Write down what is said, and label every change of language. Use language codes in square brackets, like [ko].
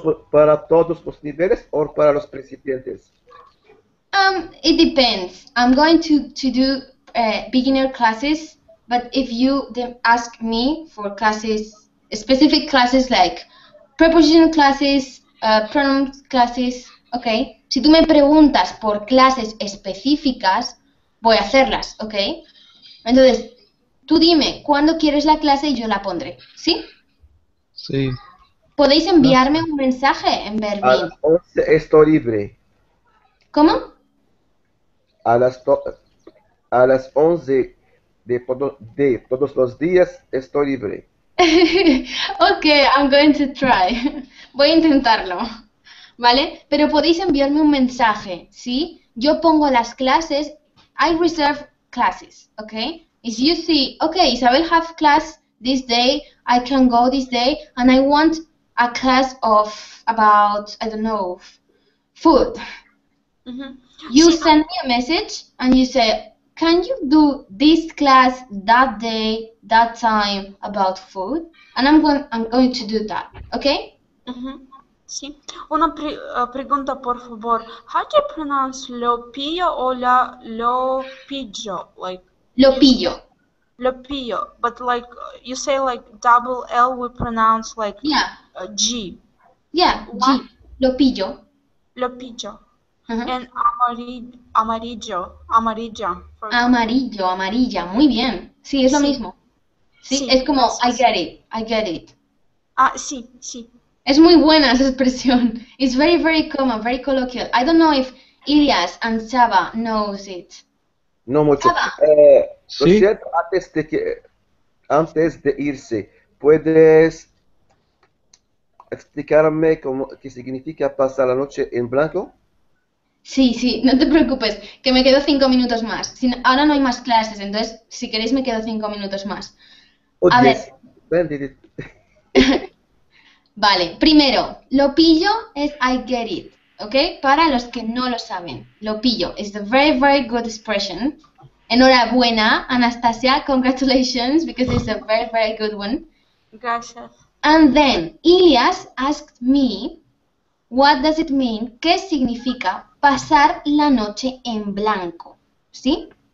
[es] ¿Para todos los niveles o para los principiantes? [en] It depends. I'm going to do beginner classes, but if you ask me for classes, specific classes like preposition classes, pronoun classes, ok. [es] Si tú me preguntas por clases específicas, voy a hacerlas, ok. Entonces, tú dime cuándo quieres la clase y yo la pondré, ¿sí? Sí. ¿Podéis enviarme un mensaje en Berlín? A las 11 estoy libre. ¿Cómo? A las 11 de todos los días estoy libre. [en] Ok, I'm going to try. Voy a intentarlo, ¿vale? [es] Pero podéis enviarme un mensaje, ¿sí? Yo pongo las clases, I reserve classes, ¿ok? [en] If you see, ok, Isabel have class this day, I can go this day, and I want a class of about, I don't know, food. Mm-hmm. You send me a message, and you say, can you do this class that day, that time, about food? And I'm going to do that, ¿ok? [es] Mm-hmm. Una pregunta, por favor. [en] How do you pronounce Lopillo o la Lopillo? Like [es] Lopillo. [en] Lopillo, but like you say like double L, we pronounce like yeah. G. Yeah, G. Lopillo. [es] Lopillo. And amarillo, amarilla. Amarillo, amarilla, muy bien. Sí, es lo mismo. Sí, es como I get it, I get it. Ah, sí, sí. [en] Es muy buena esa expresión. It's very, very common, very colloquial. I don't know if Ilias and Saba knows it. [es] No mucho. Saba. Lo cierto, antes de irse, ¿puedes explicarme qué significa pasar la noche en blanco? Sí, no te preocupes, que me quedo 5 minutos más. Ahora no hay más clases, entonces, si queréis, me quedo 5 minutos más. Oh, a [en] yes. Ver. [es] Vale, primero, lo pillo es I get it, ¿ok? Para los que no lo saben, lo pillo is a very, very good expression. [en] Enhorabuena, Anastasia, congratulations, because it's a very, very good one. [es] Gracias. [en] And then, Ilias asked me, what does it mean, ¿qué significa pasar la noche en blanco? ¿Sí?